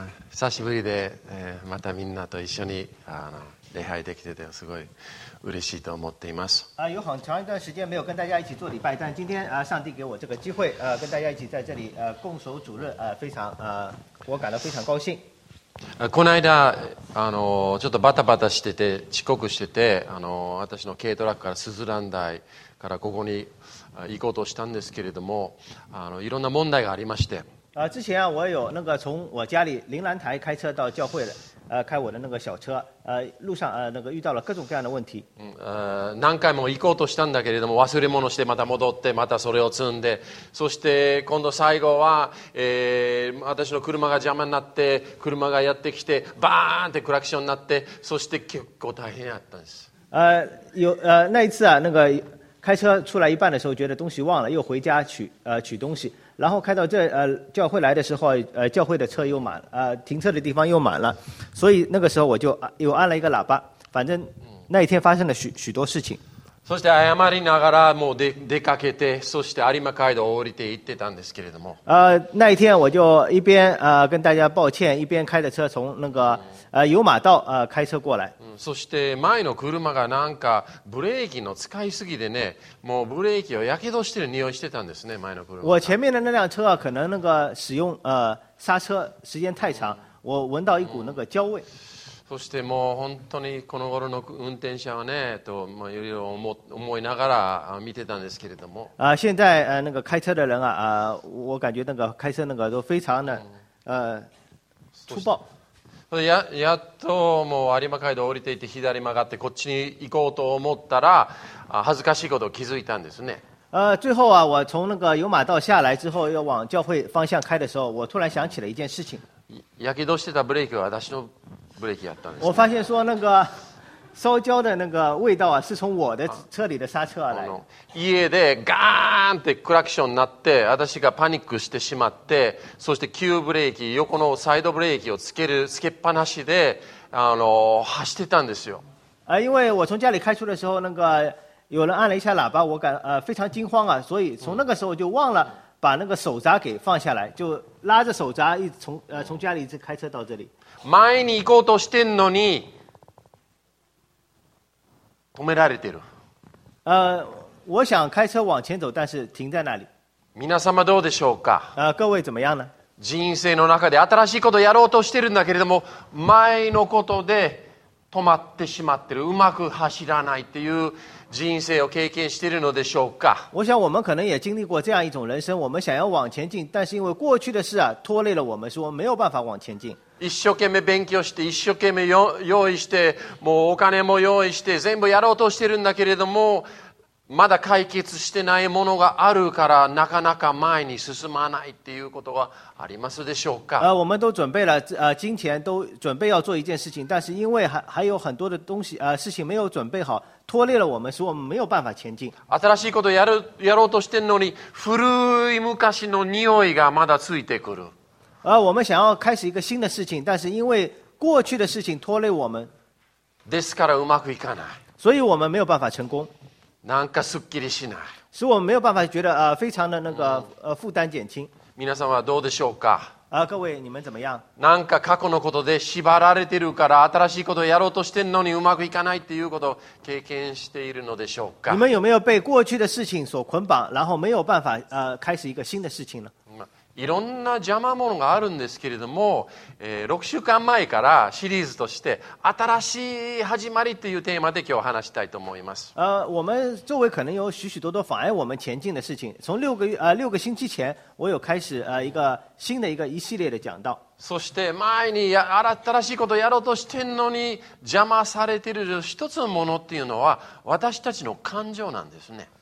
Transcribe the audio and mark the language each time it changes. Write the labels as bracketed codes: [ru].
[ja] 久しぶりで、またみんなと一緒に礼拝できててすごい嬉しいと思っています。 [zh] 有很長一段时间没有跟大家一起做礼拜，但今天上帝给我这个机会，跟大家一起在这里共守主日，非常我感到非常高兴。 [ja] この間ちょっとバタバタしてて遅刻してて、私の軽トラックからスズラン台からここに行こうとしたんですけれども、いろんな問題がありまして。 [zh] 之前啊，我有那个从我家里铃兰台开车到教会的，开我的那个小车，路上那个遇到了各种各样的问题。 [ja] 何回も行こうとしたんだけれども、忘れ物してまた戻ってまたそれを積んで、そして今度最後は、私の車が邪魔になって車がやってきてバーンってクラクションになって、そして結構大変やったんです。 [zh] 那一次啊，那个。开车出来一半的时候觉得东西忘了，又回家 取东西，然后开到这教会来的时候，教会的车又满了，停车的地方又满了，所以那个时候我就又按了一个喇叭，反正那一天发生了 许多事情。 [ja] そして謝りながらもう出かけて、そして有馬街道を降りて行ってたんですけれども。 [zh] 那一天我就一边跟大家抱歉，一边开着车从那个有馬道开车过来。 [ja] そして前の車がなんかブレーキの使いすぎでね、もうブレーキを火傷してる匂いしてたんですね、前の車。 [zh] 我前面的那辆车啊，可能那个使用刹车时间太长，我闻到一股那个焦味。 [ja] そしてもう本当にこの頃の運転者はねと、まあ、いろいろ 思いながら見てたんですけれども、 [zh] 現在那个開車的人啊，我感觉那个開車那个都非常的粗暴。 [ja] やっともう有馬街道降りていて左曲がってこっちに行こうと思ったら、恥ずかしいことを気づいたんですね。 [zh] 最後啊，我从那个有馬道下来之后要往教会方向开的时候，我突然想起了一件事情。 [ja] やけどしてたブレーキは私のブレーキやったんです。 [zh] 我发现说那个烧焦的那个味道啊，是从我的车里的刹车来的。 [ja] 家でガーンってクラクションになって、私がパニックしてしまって、そして急ブレーキ横のサイドブレーキをつけっぱなしで走ってたんですよ。 [zh] 因为我从家里开出的时候，那个有人按了一下喇叭，我感非常惊慌啊，所以从那个时候就忘了。把那个手闸给放下来，就拉着手闸一从家里一直开车到这里。 [ja] 前に行こうとしてんのに止められてる。 [zh] 我想开车往前走，但是停在那里。 [ja] 皆様どうでしょうか。 [zh] 各位怎么样呢？ [ja] 人生の中で新しいことをやろうとしてるんだけれども、前のことで止まってしまってる、うまく走らないっていう。人生を経験しているのでしょうか。 [zh] 我想我们可能也经历过这样一种人生，我们想要往前进，但是因为过去的事啊拖累了我们，说没有办法往前进。 [ja] 一生懸命勉強して、一生懸命用意して、もうお金も用意して、全部やろうとしてるんだけれども、まだ解決してないものがあるからなかなか前に進まないっていうことはありますでしょうか。 [zh] 我们都准备了金钱都准备要做一件事情，但是因为还有很多的东西事情没有准备好。拖累了我们，使我们没有办法前进。 [ja] 新しいことをやろうとしてるのに、古い昔の匂いがまだついてくる。 [zh] 我们想要开始一个新的事情，但是因为过去的事情拖累我们。 [ja] ですからうまくいかない。 [zh] 所以我们没有办法成功。 [ja] なんかすっきりしない。 [zh] 使我们没有办法觉得非常的那个负担减轻。 [ja] 皆さんはどうでしょうか。 [zh] 各位你们怎么样？ [ja] なんか過去のことで縛られてるから新しいことをやろうとしてんのにうまくいかないっていうことを経験しているのでしょうか。 [zh] 你们有没有被过去的事情所捆绑，然后没有办法开始一个新的事情呢？ [ja] いろんな邪魔者があるんですけれども、6週間前からシリーズとして新しい始まりというテーマで今日話したいと思います。 [zh] 我们周围可能有许许多多妨碍我们前进的事情，从6个星期前我有开始一个新的一个一系列的讲道。 [ja] そして前に新しいことをやろうとしてんのに邪魔されている一つのものっていうのは私たちの感情なんですね。